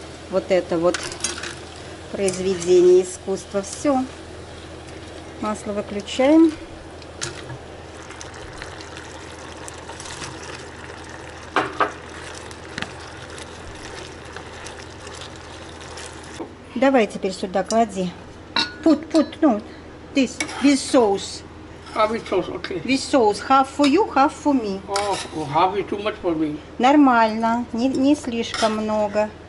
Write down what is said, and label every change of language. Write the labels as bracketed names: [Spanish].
[Russian] Вот это вот произведение искусства. Все. Масло выключаем. Давай теперь сюда клади. [English] Ну, this, this sauce. This sauce, okay. This sauce, half for you, half for me. Oh, half is too much for me. [Russian] Нормально, не слишком много.